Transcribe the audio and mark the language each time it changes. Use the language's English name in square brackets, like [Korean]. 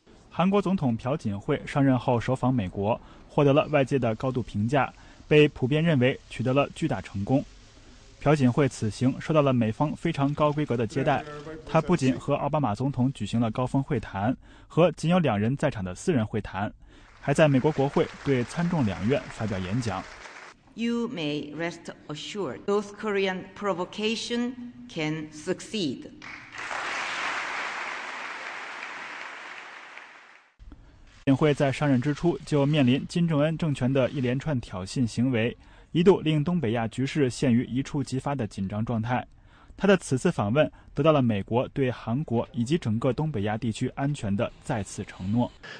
[Chinese] 韩国总统朴槿惠上任后首访美国，获得了外界的高度评价，被普遍认为取得了巨大成功。朴槿惠此行受到了美方非常高规格的接待，他不仅和奥巴马总统举行了高峰会谈和仅有两人在场的私人会谈，还在美国国会对参众两院发表演讲。 [English] You may rest assured, North Korean provocation can succeed. [Chinese] 朴槿惠在上任之初就面临金正恩政权的一连串挑衅行为，一度令东北亚局势陷于一触即发的紧张状态。他的此次访问得到了美国对韩国以及整个东北亚地区安全的再次承诺。